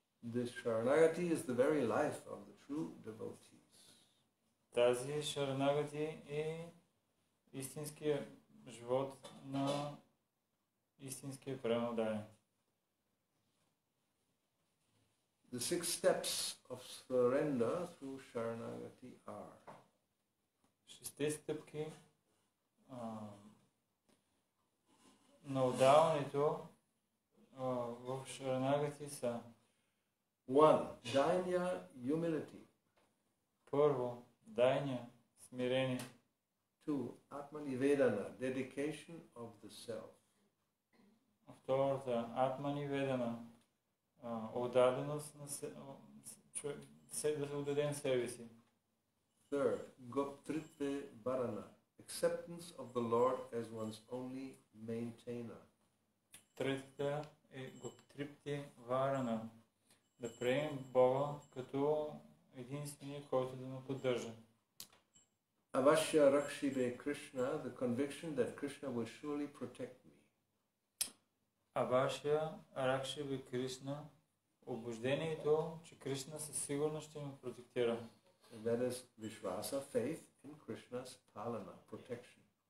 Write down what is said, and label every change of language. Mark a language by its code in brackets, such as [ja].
[en] This Sharanagati is the very life of the true devotees. [bg] Тази Шаранагати е истинския живот на истинския преданост. [en] The six steps of surrender through Sharanagati are. [bg] Шесте стъпки на отдаването в Шаранагати са. [en] One, дайня humility. [bg] Първо, дайня смирение. [en] Two, Atmanivedana, dedication of the self. [bg] Втората, Atmanivedana, отдаденост на да се отдадем себе си. [en] Third, Goptritve Bharana, acceptance of the Lord as one's only maintainer. [bg] Третата е Goptritve Bharana, да приемем Бога като единствения, който да ни поддържа. [en] Avashya Rakshibe Krishna, the conviction that Krishna will surely protect me. [bg] Avashya Rakshibe Krishna, убеждението, че Кришна със сигурност ще ме протектира. [en] That is Vishvasa, faith in Krishna's palana, protection.